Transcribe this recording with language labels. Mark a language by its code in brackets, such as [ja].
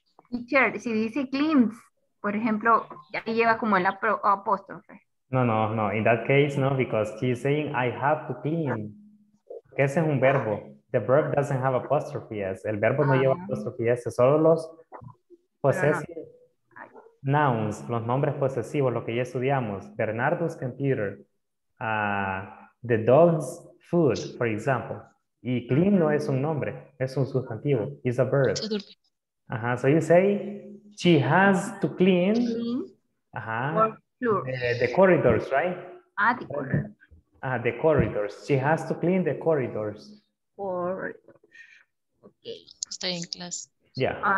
[es] Teacher, si dice cleans, por ejemplo, ahí lleva como el apóstrofe. [en] No, in that case, no, because she's saying I have to clean. [es] Que ese es un verbo. [en] The verb doesn't have apostrophe, yes. [es] El verbo no lleva apóstrofe, yes. Solo los posesivos. Nouns, los nombres posesivos, lo que ya estudiamos. [en] Bernardo's computer. The dog's food, for example. [es] Y clean no es un nombre, es un sustantivo. [en] It's a verb. Uh-huh. So you say, she has to clean the corridors, right? The corridors. She has to clean the corridors. Okay. Stay in class. Yeah.